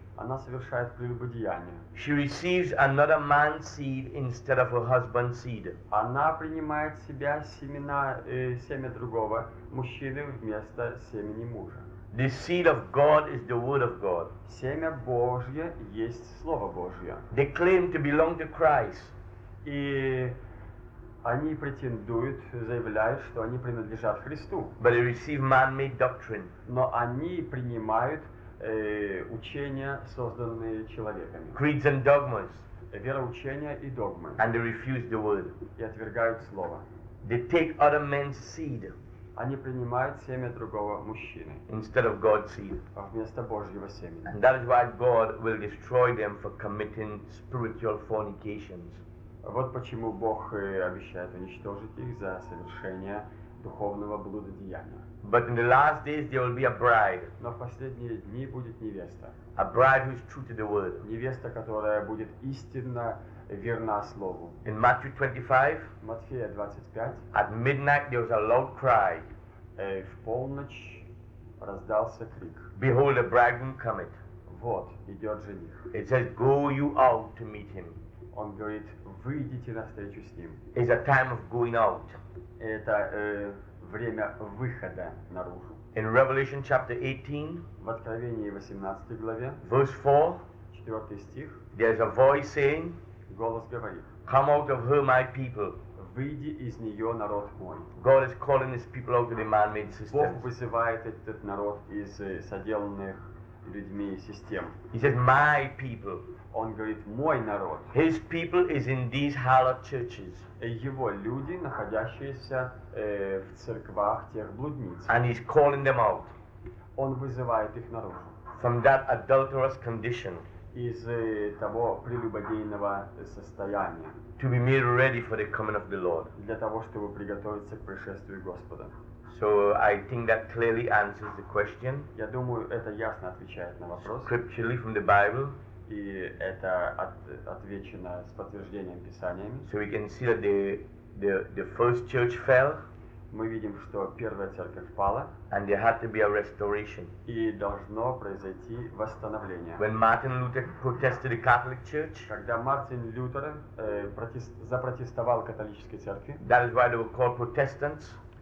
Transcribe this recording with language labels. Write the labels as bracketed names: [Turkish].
[Russian] Она совершает прелюбодеяние. [English] She receives another man's seed instead of her husband's seed. [Russian] Она принимает себя семена семя другого мужчины вместо семени мужа. [English] The seed of God is the word of God. [Russian] Семя Божье есть слово Божье. [English] They claim to belong to Christ. [Russian] И они претендуют, заявляют, что они принадлежат Христу. [English] But they receive man-made doctrine. [Russian] Но они принимают учения, созданные человеками. [English] Creeds and dogmas. [Russian] Вероучения и догмы. [English] And they refuse the word. [Russian] И отвергают слово. [English] They take other men's seed. [Russian] Они принимают семя другого мужчины. [English] Instead of God's seed. [Russian] А вместо Божьего семени. [English] And that is why God will destroy them for committing spiritual fornications. [Russian] Вот почему Бог обещает уничтожить их за совершение духовного блудодеяния. [English] But in the last days there will be a bride. [Russian] Но в последние дни будет невеста. [English] A bride who is true to the word. [Russian] Невеста, которая будет истинно верна слову. [English] In Matthew 25. [Russian] Матфея 25. [English] At midnight there was a loud cry. [Russian] В полночь раздался крик. [English] Behold, the bridegroom cometh. [Russian] Вот идет жених. [English] It says, go you out to meet him. [Russian] Он говорит, выйдите навстречу с ним. [English] It's a time of going out. [Russian] Это время выхода наружу. [English] In Revelation chapter 18, [Russian] в Откровении 18 главе, [English] verse 4, [Russian] 4 стих, [English] there's a voice saying, [Russian] голос говорит, [English] come out of her, my people. [Russian] Выйди из нее, народ мой. [English] God is calling his people out of the man-made systems. [Russian] Бог вызывает этот народ из соделанных людьми систем. [English] He says, my people. [Russian] Он говорит, мой народ. [English] His people is in these hallowed churches. [Russian] Его люди, находящиеся в церквах тех блудниц. [English] And he's calling them out. [Russian] Он вызывает их наружу. [English] From that adulterous condition. [Russian] Из того прелюбодейного состояния. [English] To be made ready for the coming of the Lord. [Russian] Для того, чтобы приготовиться к пришествию Господа. [English] So I think that clearly answers the question. [Russian] Я думаю, это ясно отвечает на вопрос. [English] Scripturally from the Bible. [Russian] И это отвечено с подтверждением Писаниями. [English] So we can see that the first church fell. [Russian] Мы видим, что первая церковь пала. [English] And there had to be a restoration. [Russian] И должно произойти восстановление. [English] When Martin Luther protested the Catholic Church. [Russian] Когда Мартин Лютер запротестовал католической церкви. [English] That is why they were called Protestants.